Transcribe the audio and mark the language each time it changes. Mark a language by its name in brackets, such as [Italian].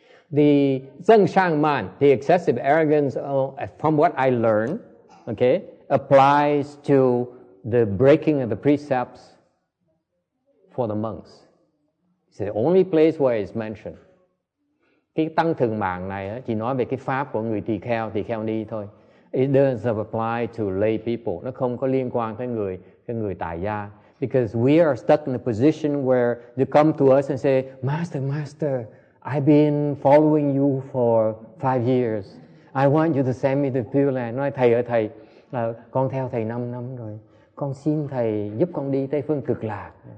[English] The zheng shang man, the excessive arrogance, from what I learned, okay, applies to the breaking of the precepts for the monks. It's the only place where it's mentioned. [Vietnamese] Cái tăng thượng mạng này chỉ nói về cái pháp của người tỳ kheo ni thôi. [English] It doesn't apply to lay people. [Vietnamese] Nó không có liên quan tới người tại gia. [English] Because we are stuck in a position where they come to us and say, Master, I've been following you for 5 years. I want you to send me to Pure Land. [Vietnamese] Nói thầy ơi thầy, con theo thầy 5 năm rồi. Con xin thầy giúp con đi Tây Phương Cực Lạc.